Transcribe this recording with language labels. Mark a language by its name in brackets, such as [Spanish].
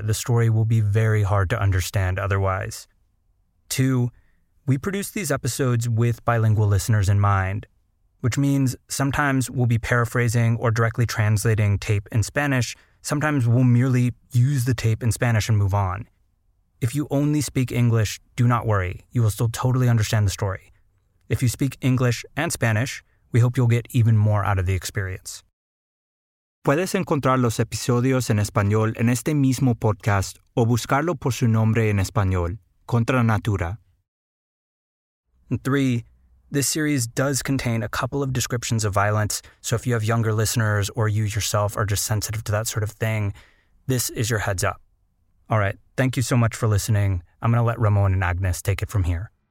[English] The story will be very hard to understand otherwise. 2, we produce these episodes with bilingual listeners in mind, which means sometimes we'll be paraphrasing or directly translating tape in Spanish. Sometimes we'll merely use the tape in Spanish and move on. If you only speak English, do not worry. You will still totally understand the story. If you speak English and Spanish, we hope you'll get even more out of the experience. [Spanish] Puedes encontrar los episodios en español en este mismo podcast o buscarlo por su nombre en español, Contra Natura. [English] 3, this series does contain a couple of descriptions of violence, so if you have younger listeners or you yourself are just sensitive to that sort of thing, this is your heads up. All right, thank you so much for listening. I'm going to let Ramon and Agnes take it from here.